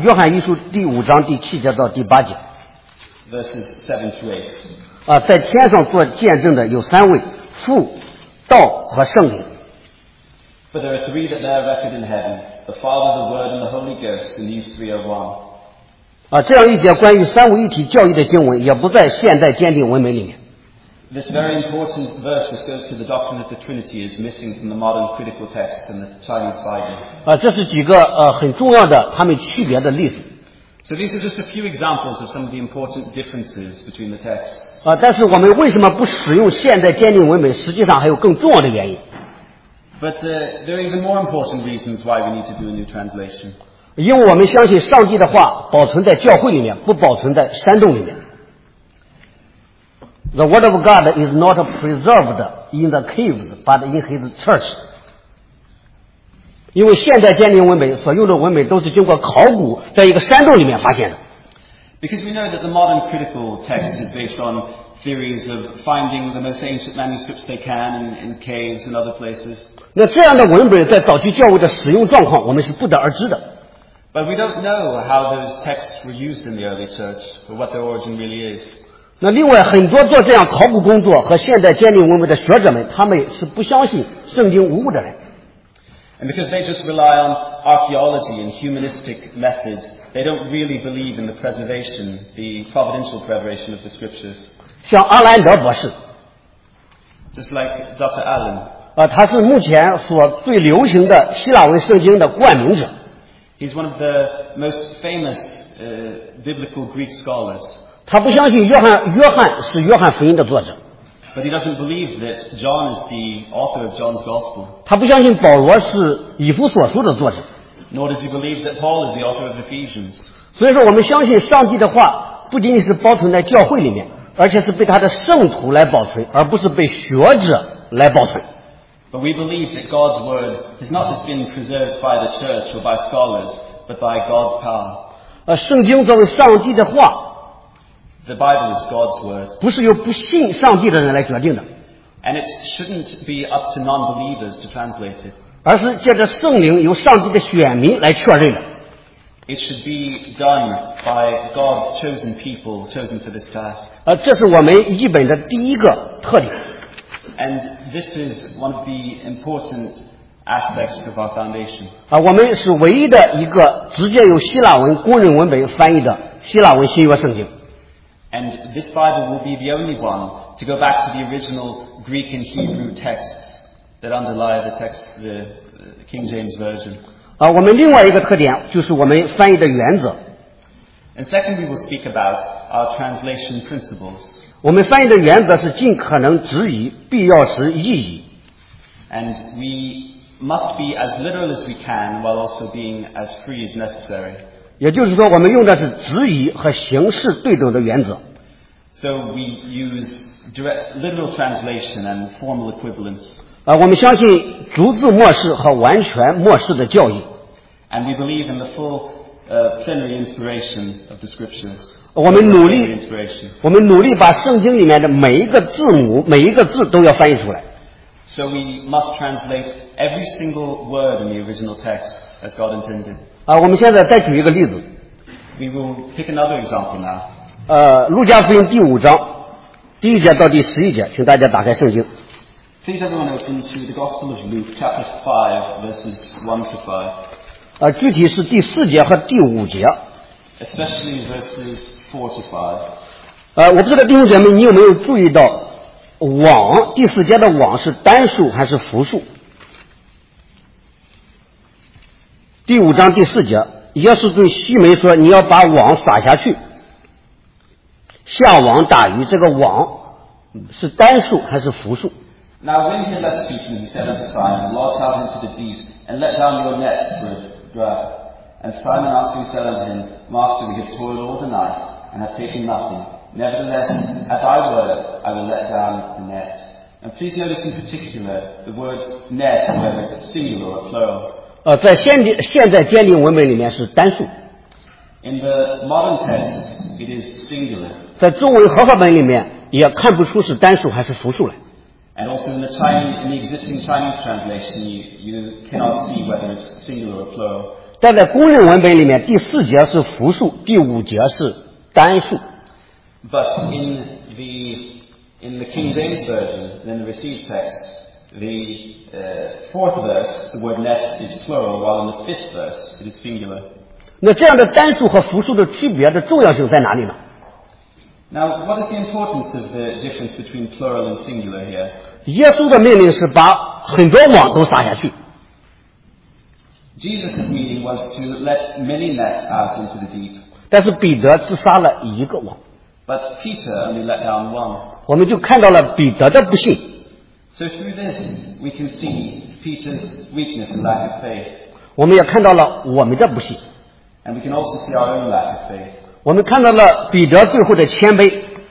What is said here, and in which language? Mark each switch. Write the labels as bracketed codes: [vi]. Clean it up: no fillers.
[zh] 约翰一书第五章第七节到第八节。 [en] Verses 7-8. [zh] 在天上做见证的有三位，父、道和圣灵。 [en] For there are three that bear record in heaven, the Father, the Word, and the Holy Ghost, and these three are one. [zh] 这样一节关于三位一体教义的经文也不在现代坚定文本里面。 [en] This very important verse which goes to the doctrine of the Trinity is missing from the modern critical texts in the Chinese Bible. [zh] 这是几个很重要的他们区别的例子。 [en] So these are just a few examples of some of the important differences between the texts. [zh] 但是我们为什么不使用现代坚定文本？实际上还有更重要的原因。 [en] But there are even more important reasons why we need to do a new translation. [zh] 因为我们相信上帝的话保存在教会里面，不保存在山洞里面。 [en] The word of God is not preserved in the caves, but in His church. [zh] 因为现代坚定文本所用的文本都是经过考古，在一个山洞里面发现的。 [en] Because we know that the modern critical text is based on theories of finding the most ancient manuscripts they can in caves and other places. [zh] 那这样的文本在早期教会的使用状况，我们是不得而知的。 [en] But we don't know how those texts were used in the early church, or what their origin really is. [zh] 那另外很多做这样考古工作和现代坚定文本的学者们，他们是不相信圣经无误的人。 [en] And because they just rely on archaeology and humanistic methods, they don't really believe in the preservation, the providential preservation of the scriptures. [zh] 像阿兰德博士 [en] ，just like Dr. Allen， [zh] 他是目前所最流行的希腊文圣经的冠名者。 [en] He's one of the most famous biblical Greek scholars. [zh] 他不相信约翰是约翰福音的作者。 [en] But he doesn't believe that John is the author of John's gospel. [zh] 他不相信保罗是以弗所书的作者。 [en] Nor does he believe that Paul is the author of Ephesians. [zh] 所以说我们相信上帝的话不仅仅是保存在教会里面，而且是被他的圣徒来保存，而不是被学者来保存。 [en] But we believe that God's word has not just been preserved by the church or by scholars, but by God's power. [zh] 圣经作为上帝的话。 [en] The Bible is God's word. [zh] 不是由不信上帝的人来决定的。 [en] And it shouldn't be up to non-believers to translate it. [zh] 而是借着圣灵由上帝的选民来确认的。 [en] It should be done by God's chosen people, chosen for this task. [zh] 这是我们译本的第一个特点。 [en] And this is one of the important aspects of our foundation. [zh] 我们是唯一的一个直接由希腊文公认文本翻译的希腊文新约圣经。 [en] And this Bible will be the only one to go back to the original Greek and Hebrew texts that underlie the text, the King James Version. [zh] 我们另外一个特点就是我们翻译的原则。 [en] And second, we will speak about our translation principles. [zh] 我们翻译的原则是尽可能直译，必要时译译。 [en] And we must be as literal as we can while also being as free as necessary. [zh] 也就是说我们用的是直译和形式对等的原则。 [en] So we use direct, literal translation and formal equivalents. [zh] 我们相信逐字默示和完全默示的教义。 [en] And we believe in the full, plenary inspiration of the scriptures. [zh] 我们努力把圣经里面的每一个字母每一个字都要翻译出来。 [en] So we must translate every single word in the original text as God intended. [zh] 我们现在再举一个例子。 [en] We will pick another example now. [zh] 路加福音第五章第一节到第十一节，请大家打开圣经。 [en] Please everyone open to the Gospel of Luke, chapter 5, verses 1 to 5. [zh] 具体是第四节和第五节。 [en] Especially verses 4 to 5. [zh] 我不知道弟兄姐妹，你有没有注意到往第四节的往是单数还是复数？第五章第四节，耶稣对西门说：“你要把网撒下去，下网打鱼。” 这个网是单数还是复数？ [en] Now when he had left speaking, he said unto Simon, Launch out into the deep, and let down your nets for grub. And Simon answered and said unto him, Master, we have toiled all the night, and have taken nothing. Nevertheless, at thy word, I will let down the net. And please notice in particular the word net, whether it's singular or plural. [zh] 在现在鉴定文本里面是单数。 [en] In the modern text, it is singular. [zh] 在中文合法本里面也看不出是单数还是复数来。 [en] And also in the Chinese, in the existing Chinese translation, you cannot see whether it's singular or plural. [zh] 但在公认文本里面，第四节是复数，第五节是单数。 [en] But in the King James version, in the received text, the fourth verse, the word net is plural, while in the fifth verse, it is singular. [zh] 那这样的单数和复数的区别的重要性在哪里呢？ [en] Now, what is the importance of the difference between plural and singular here? [zh] 耶稣的命令是把很多网都撒下去。 [en] Jesus' meaning was to let many nets out into the deep. [zh] 但是彼得只撒了一个网。 [en] But Peter only let down one. [zh] 我们就看到了彼得的不幸。 [en] So through this, we can see Peter's weakness and lack of faith. [zh] 我们也看到了我们的不幸。 [en] And we can also see our own lack of faith. [zh] 我们看到了彼得最后的谦卑。